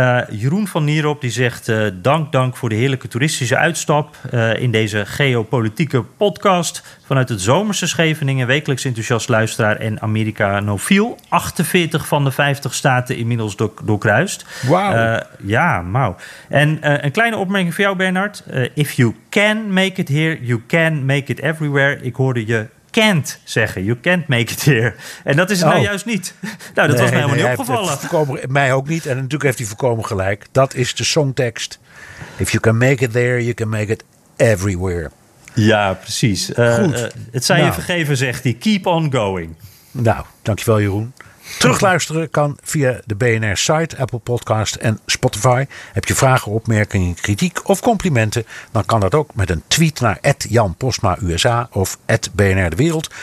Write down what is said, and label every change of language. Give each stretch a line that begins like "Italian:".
Dutch: Jeroen van Nierop die zegt dank voor de heerlijke toeristische uitstap in deze geopolitieke podcast. Vanuit het zomerse Scheveningen, wekelijks enthousiast luisteraar en Amerikanofiel. 48 van de 50 staten inmiddels doorkruist. Wauw. En een kleine opmerking voor jou, Bernard.
English: If you can make it here, you can make it everywhere.
Dutch: Ik hoorde je can't zeggen.
English: You can't make it here.
Dutch: En dat is het nou juist niet. Nou, dat was mij helemaal niet opgevallen. Mij ook niet. En natuurlijk heeft hij voorkomen gelijk. Dat is de songtekst.
English: If you can make it there, you can make it everywhere.
Dutch: Ja, precies. Goed. Het zij je vergeven, zegt hij.
English: Keep on going.
Dutch: Nou, dankjewel Jeroen. Terugluisteren kan via de BNR-site, Apple Podcast en Spotify. Heb je vragen, opmerkingen, kritiek of complimenten? Dan kan dat ook met een tweet naar @JanPosmaUSA of @BNRDeWereld.